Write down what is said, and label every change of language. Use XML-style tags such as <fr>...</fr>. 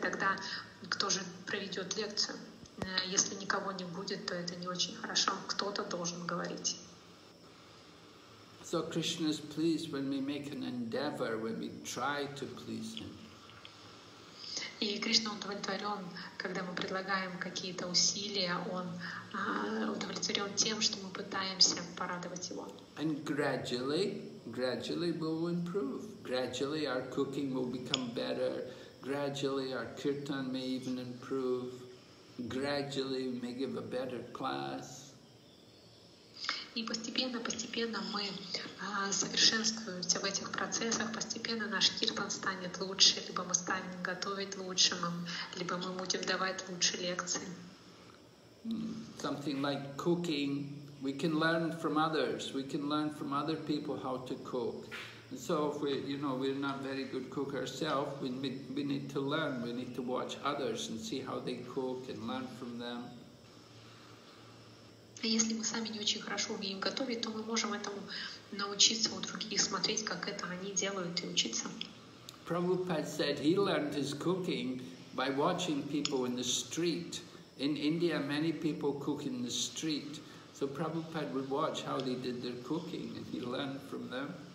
<ru>Тогда кто же проведет лекцию? Если никого не будет, то это не очень хорошо. Кто-то должен говорить.</ru> <en>So Krishna is pleased when we make an endeavor, when we try to please Him.</en> <ru>И Кришна удовлетворен, когда мы предлагаем какие-то усилия, Он удовлетворен тем, что мы пытаемся порадовать Его.</ru> <en>And gradually we'll improve. Gradually our cooking will become better. Gradually our kirtan may even improve. Gradually we may give a better class.</en> <ru>И постепенно мы совершенствуемся в этих процессах, постепенно наш киртан станет лучше, либо мы станем готовить лучше, либо мы будем давать лучше лекции.</ru> <en>Something like cooking, we can learn from others, we can learn from other people how to cook. And so if we, you know, we're not very good cook ourselves, we need to learn, we need to watch others and see how they cook and learn from them.</en> <ru>Если мы сами не очень хорошо умеем готовить, то мы можем этому научиться у других, смотреть, как это они делают, и учиться.</ru> <en>Prabhupada said he learned his cooking by watching people in the street. In India, many people cook in the street. So Prabhupada would watch how they did their cooking, and he learned from them.</en>